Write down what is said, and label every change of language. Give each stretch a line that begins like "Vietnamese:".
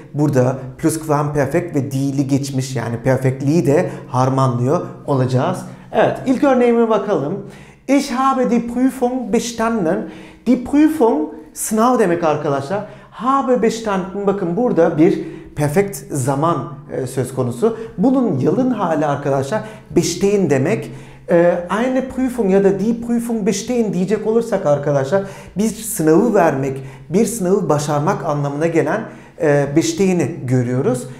Turkish: Burada pluskvamperfekt ve dili geçmiş, yani perfektliği de harmanlıyor olacağız. Evet, ilk örneğime bakalım.
German: Ich habe die Prüfung bestanden.
Turkish: Die Prüfung sınav demek arkadaşlar. Habe bestanden, bakın burada bir perfekt zaman söz konusu. Bunun yalın hali arkadaşlar bestehen demek.
German: Eine Prüfung
Turkish: ya da
German: die Prüfung bestehen
Turkish: diyecek olursak arkadaşlar, bir sınavı vermek, bir sınavı başarmak anlamına gelen bestehen'i görüyoruz.